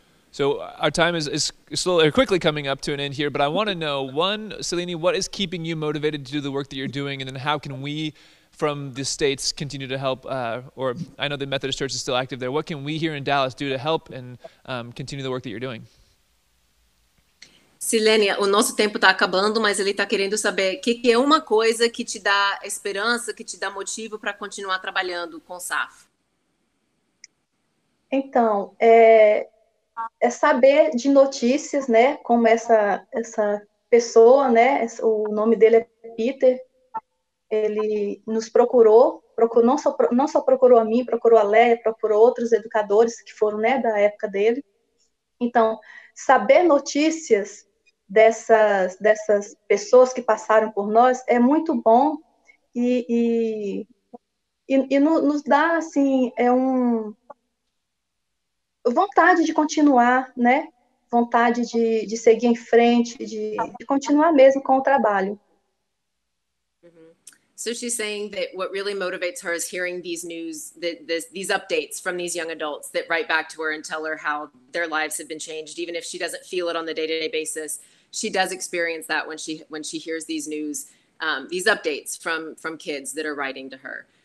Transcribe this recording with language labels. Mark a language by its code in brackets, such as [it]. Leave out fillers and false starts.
[en] So our time is slowly or quickly coming up to an end here, but I want to know, one, Selene, what is keeping you motivated to do the work that you're doing? And then how can we from the States continue to help? Or I know the Methodist Church is still active there. What can we here in Dallas do to help and continue the work that you're doing? [pt] Selene, o nosso tempo está acabando, mas ele está querendo saber o que é uma coisa que te dá esperança, que te dá motivo para continuar trabalhando com SAF. Então, é saber de notícias, né, como essa pessoa, né, o nome dele é Peter, ele nos procurou não só procurou a mim, procurou a Léa, procurou outros educadores que foram, né, da época dele. Então, saber notícias dessas pessoas que passaram por nós é muito bom e nos dá, assim, vontade de continuar, né? Vontade de seguir em frente, de continuar mesmo com o trabalho. Mm-hmm. [en] So she's saying that what really motivates her is hearing these news, these updates from these young adults that write back to her and tell her how their lives have been changed, even if she doesn't feel it on the day-to-day basis. She does experience that when she hears these news, these updates from kids that are writing to her.